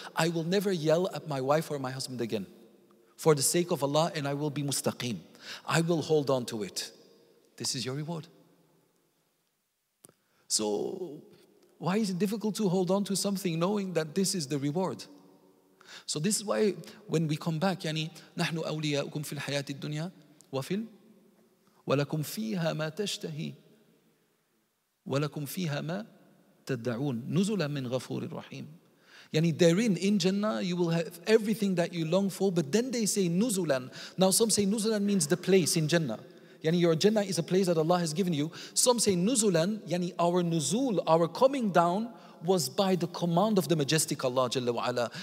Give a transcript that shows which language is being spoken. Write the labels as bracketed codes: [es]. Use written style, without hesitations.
[en] I will never yell at my wife or my husband again for the sake of Allah, and I will be mustaqim. I will hold on to it. This is your reward. So why is it difficult to hold on to something knowing that this is the reward? So this is why when we come back, [ar] يعني نحن أولياؤكم في الحياة الدنيا وفل ولكم فيها ما تشتهي ولكم فيها ما تدعون نزلا من غفور الرحيم. [en] يعني therein, in Jannah, you will have everything that you long for. But then they say نزلاً. Now some say نزلاً means the place in Jannah. يعني your Jannah is a place that Allah has given you. Some say نزلاً, يعني our نزول, our coming down, was by the command of the majestic Allah جل وعلا.